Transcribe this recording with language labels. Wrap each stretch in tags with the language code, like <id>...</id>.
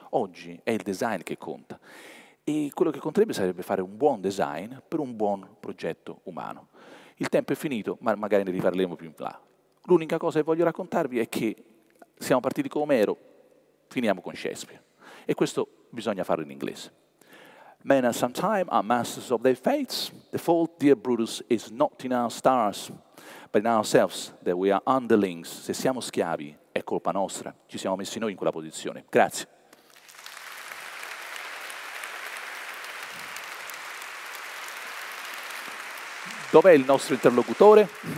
<it>Oggi è il design che conta. E quello che conterebbe sarebbe fare un buon design per un buon progetto umano. Il tempo è finito, ma magari ne riparleremo più in là. L'unica cosa che voglio raccontarvi è che siamo partiti con Omero, finiamo con Shakespeare. E questo bisogna farlo in inglese.</it> <en>Men at some time are masters of their fates. The fault, dear Brutus, is not in our stars, but in ourselves, that we are underlings.</en> <it>Se siamo schiavi, è colpa nostra. Ci siamo messi noi in quella posizione. Grazie. Dov'è il nostro interlocutore?</it>